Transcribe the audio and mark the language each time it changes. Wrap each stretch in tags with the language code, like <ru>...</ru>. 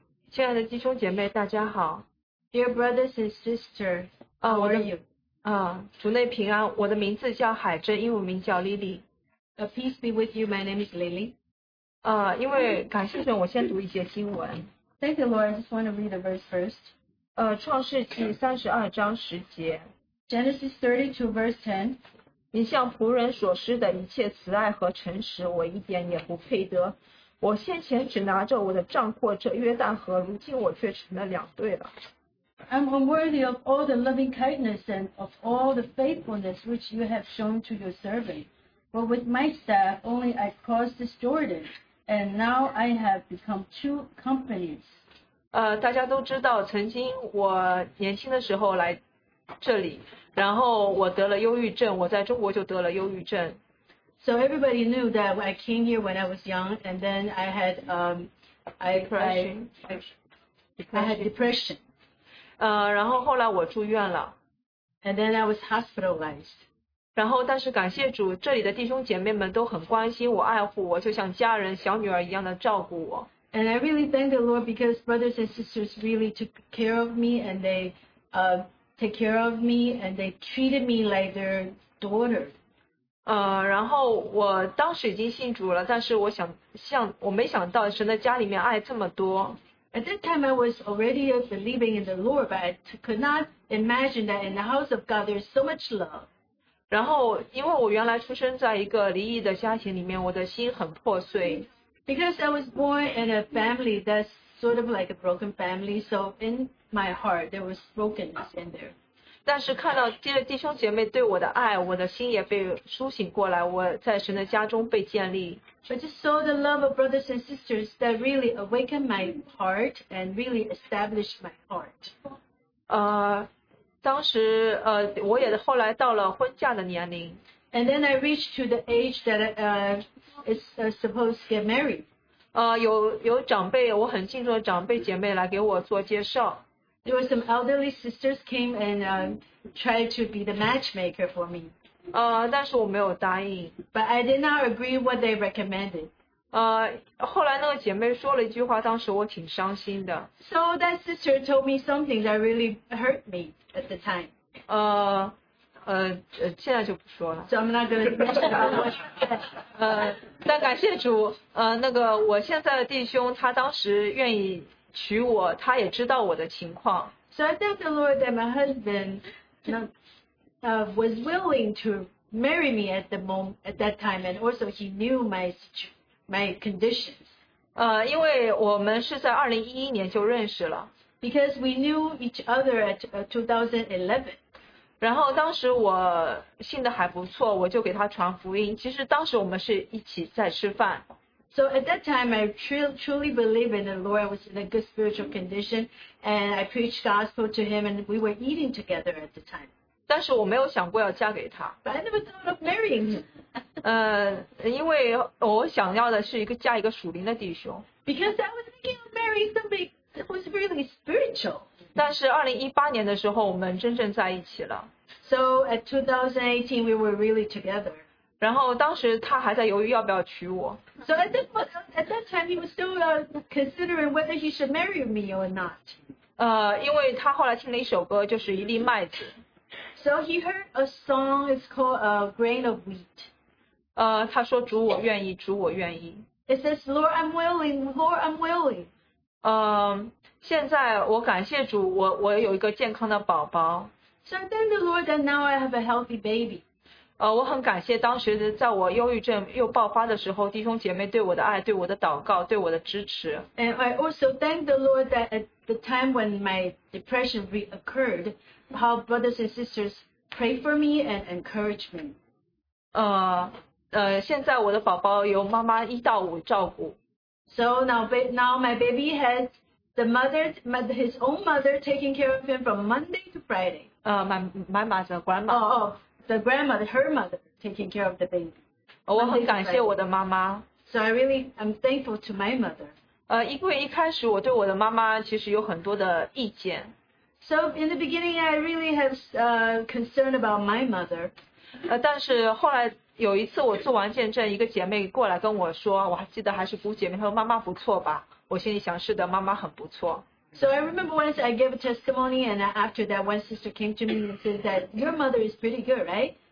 <en>Dear brothers and sisters, how are you?</en> <zh>主内平安，我的名字叫海珍，英文名叫 Lily.</zh> <en>Peace be with you, my name is Lily.</en> <zh>因为感谢神，我先读一些经文。</zh> <en>Thank you, Lord. I just want to read the verse first.</en> <zh>创世纪三十二章十节。</zh> <en>Genesis 32 verse 10.</en> <zh>你向仆人所施的一切慈爱和诚实，我一点也不配得。我先前只拿着我的杖过这约旦河，如今我却成了两队了。</zh> <en>I'm unworthy of all the loving kindness and of all the faithfulness which you have shown to your servant. But with my staff only I crossed this Jordan, and now I have become two companies.</en> <zh>大家都知道，曾经我年轻的时候来这里，然后我得了忧郁症，我在中国就得了忧郁症。</zh> <en>So everybody knew that when I came here when I was young, and then I had depression.</en> <zh>然后后来我住院了。</zh> <en>And then I was hospitalized.</en> <zh>然后但是感谢主，这里的弟兄姐妹们都很关心我，爱护我，就像家人小女儿一样的照顾我。</zh> <en>And I really thank the Lord because brothers and sisters really took care of me and they take care of me and they treated me like their daughter.</en> <zh>然后我当时已经信主了，但是我没想到神的家里面爱这么多。</zh> <en>At that time I was already believing in the Lord, but I could not imagine that in the house of God there's so much love.</en> <zh>然后因为我原来出生在一个离异的家庭里面，我的心很破碎。</zh> <en>Because I was born in a family that's sort of like a broken family, so in my heart there was brokenness in there.</en> <zh>但是看到弟兄姐妹对我的爱，我的心也被苏醒过来，我在神的家中被建立。</zh> <en>I just saw the love of brothers and sisters that really awakened my heart and really established my heart.</en> <zh>当时我也后来到了婚嫁的年龄。</zh> <en>And then I reached to the age that is supposed to get married.</en> <zh>有长辈，我很敬重的长辈姐妹来给我做介绍。</zh> <en>There were some elderly sisters came and tried to be the matchmaker for me.</en> <zh>但是我没有答应。</zh> <en>But I did not agree what they recommended.</en> <zh>后来那个姐妹说了一句话，当时我挺伤心的。</zh> <en>So that sister told me something that really hurt me at the time.</en> <zh>现在就不说了。</zh> <en>So I'm not going to mention that.</en> <zh>但感谢主，那个我现在的弟兄他当时愿意娶我，他也知道我的情况。</zh> <en>So I thank the Lord that my husband was willing to marry me at the moment at that time, and also he knew my conditions.</en> <zh>因为我们是在2011年就认识了。</zh> <en>Because we knew each other at 2011.</en> <zh>然后当时我信的还不错，我就给他传福音。其实当时我们是一起在吃饭。</zh> <en>So at that time, I truly believed in the Lord. I was in a good spiritual condition, and I preached gospel to him, and we were eating together at the time.</en> <zh>但是我没有想过要嫁给他。</zh> <en>But I never thought of marrying him.</en> <zh>因为我想要的是一个嫁一个属灵的弟兄。</zh> <en>Because I was thinking of marrying somebody that was really spiritual.</en> <zh>但是2018年的时候，我们真正在一起了。</zh> <en>So at 2018, we were really together.</en> <zh>然后当时他还在犹豫要不要娶我。</zh> <en>So at that time he was still considering whether he should marry me or not.</en> <zh>因为他后来听了一首歌，就是一粒麦子。</zh> <en>So he heard a song. It's called a grain of wheat.</en> <zh>他说主我愿意，主我愿意。</zh> <en>It says, Lord, I'm willing. Lord, I'm willing.</en> <zh>现在我感谢主，我有一个健康的宝宝。</zh> <en>So I thank the Lord that now I have a healthy baby.</en> <zh>我很感谢当时在我忧郁症又爆发的时候，弟兄姐妹对我的爱，对我的祷告，对我的支持。</zh> <en>And I also thank the Lord that at the time when my depression reoccurred, how brothers and sisters prayed for me and encouraged me.</en> <zh>现在我的宝宝由妈妈一到五照顾。</zh> <en>So now my baby has the mother, his own mother taking care of him from Monday to Friday. My mother, grandma. The grandmother, her mother, taking care of the baby.</en> <zh>我很感谢我的妈妈。</zh> <en>So I really am thankful to my mother.</en> <zh>因为一开始我对我的妈妈其实有很多的意见。</zh> <en>So in the beginning, I really have concern about my mother.</en> <zh>但是后来有一次我做完见证，一个姐妹过来跟我说，我还记得还是姑姐妹，她说妈妈不错吧？我心里想，是的，妈妈很不错。</zh> <en>So I remember once I gave a testimony, and after that, one sister came to me and said that your mother is pretty good, right?</en>